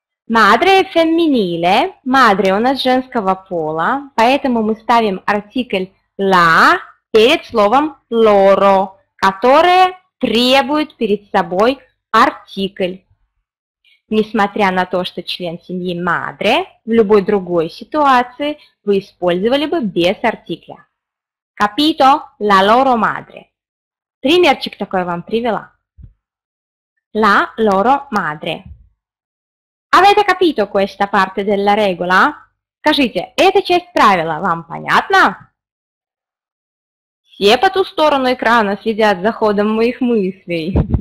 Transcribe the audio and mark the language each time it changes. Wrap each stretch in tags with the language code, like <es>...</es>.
<it>Madre è femminile, madre è una</it> <ru>женского пола, поэтому мы ставим артикль la перед словом loro, которое требует перед собой артикль. Несмотря на то, что член семьи madre, в любой другой ситуации вы использовали бы без артикля.</ru> <it>Capito? La loro madre.</it> <ru>Примерчик такой вам привела.</ru> <it>La loro madre. Avete capito questa parte della regola?</it> <ru>Скажите, эта часть правила вам понятна? Все по ту сторону экрана следят за ходом моих мыслей.</ru>